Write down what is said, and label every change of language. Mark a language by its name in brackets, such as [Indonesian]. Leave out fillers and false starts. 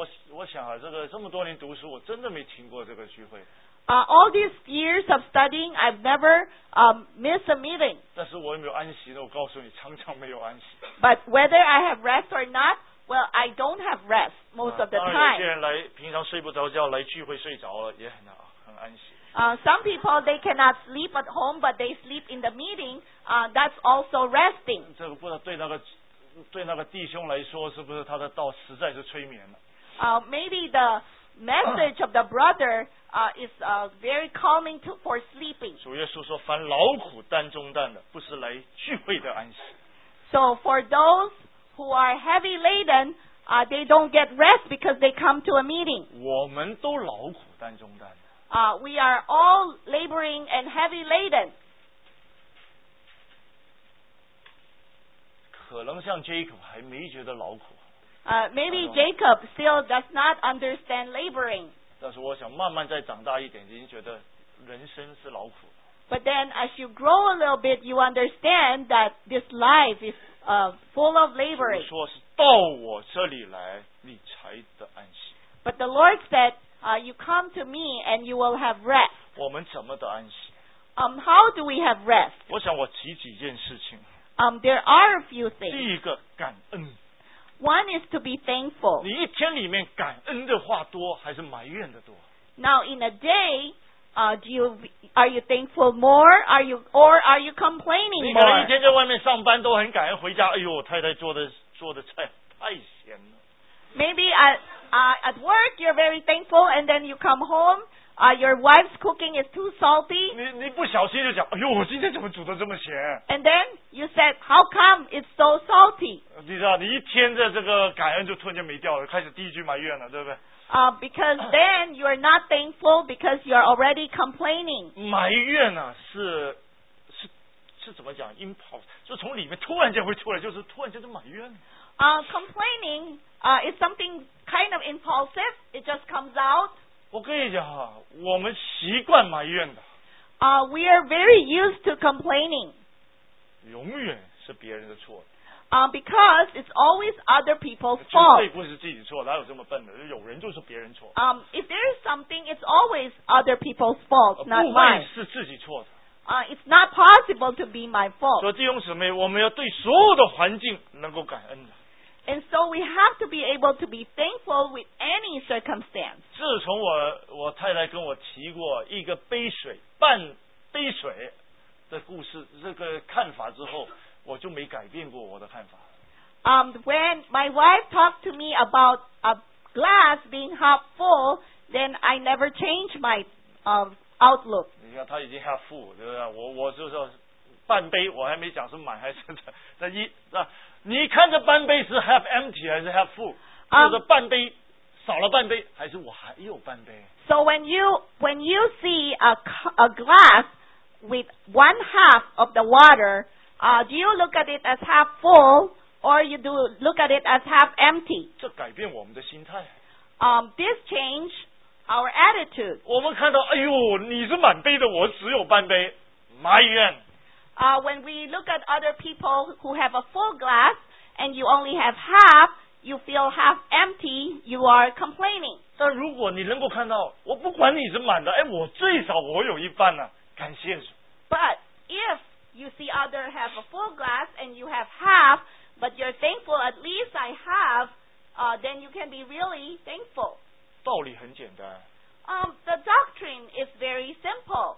[Chinese] 我想啊，这么多年读书我真的没停过这个聚会。 [English] All these years of studying, I've never missed a meeting. [Chinese] 但是我有没有安息呢？我告诉你，常常没有安息。 [English] But whether I have rest or not, well, I don't have rest most of the time. [Chinese] 当然，有些人来平常睡不着觉，来聚会睡着了，也很安息。 [English] Some people they cannot sleep at home, but they sleep in the meeting. That's also resting. [Chinese] 这个不知道对那个弟兄来说，是不是他的道实在是催眠了？ [English] Maybe the message of the brother. Is very calming for sleeping. [Chinese] 主耶稣说，凡劳苦担重担的，不是来聚会的安息。 [English] So for those who are heavy laden, they don't get rest because they come to a meeting. [Chinese] 我们都劳苦担重担。 [English] We are all laboring and heavy laden. [Chinese] 可能像 Jacob 还没觉得劳苦。 [English] Maybe Jacob still does not understand laboring. [Chinese] 但是我想慢慢再长大一点，已经觉得人生是劳苦。 [English] But then as you grow a little bit, you understand that this life is full of laboring. [Chinese] 说是到我这里来，你才得安息。 [English] But the Lord said, you come to me and you will have rest. [Chinese] 我们怎么得安息？ [English] How do we have rest? [Chinese] 我想我提几件事情。 [English] There are a few things. [Chinese] 第一个，感恩。 [English] One is to be thankful. [Chinese] 你一天里面感恩的话多，还是埋怨的多？ [English] Now in a day,are you thankful more? Are you complaining more? [Chinese] 你可能一天在外面上班都很感恩，回家，哎呦，太太做的菜太咸了。 [English] Maybe at work you're very thankful, and then you come home, your wife's cooking is too salty. [Chinese] 你不小心就讲，哎呦，我今天怎么煮的这么咸？ [English] And then you said, how come it's so salty? [Chinese] 你知道，你一天的这个感恩就突然间没掉了，开始第一句埋怨了，对不对？ [English] Because then you are not thankful because you are already complaining. [Chinese] 埋怨呢、啊、是怎么讲 impulse 就从里面突然间会出来就是突然间就埋怨。 [English] Complaining is something kind of impulsive. It just comes out. [Chinese] 我跟你讲、啊、我们习惯埋怨的。 [English] We are very used to complaining. [Chinese] 永远是别人的错。 [English] Because it's always other people's fault. [Chinese] 绝对不是自己错，哪有这么笨的？有人就是别人错。 [English] If there is something, it's always other people's fault, not mine. [Chinese] 不会是自己错的。 [English] It's not possible to be my fault. [Chinese] 所以弟兄姊妹，我们要对所有的环境能够感恩的。 [English] And so we have to be able to be thankful with any circumstance. [Chinese] 自从我太太跟我提过一个杯水半杯水的故事，这个看法之后。我就没改变过我的看法。 [English] When my wife talked to me about a glass being half full, then I never changed my outlook. [Chinese] 你看，他已经 [English] half full， [Chinese] 对不对？我就是半杯，我还没讲是满还是的。那一啊，你看着半杯是 [English] half empty [Chinese] 还是 [English] half full？ [Chinese] 就是半杯少了半杯，还是我还有半杯 [English] ？So when you see a glass with one half of the water。 Do you look at it as half full or you do look at it as half empty? [Chinese] 这改变我们的心态。 [English] This change our attitude. [Chinese] 我们看到，哎呦，你是满杯的，我只有半杯，埋怨。 [English] When we look at other people who have a full glass and you only have half, you feel half empty, you are complaining. [Chinese] 但如果你能够看到，我不管你是满的，哎，我最少我有一半呢，感谢主。 [English] But if you see others have a full glass and you have half, but you're thankful at least I have, then you can be really thankful. [Chinese] 道理很简单。 [English] The doctrine is very simple.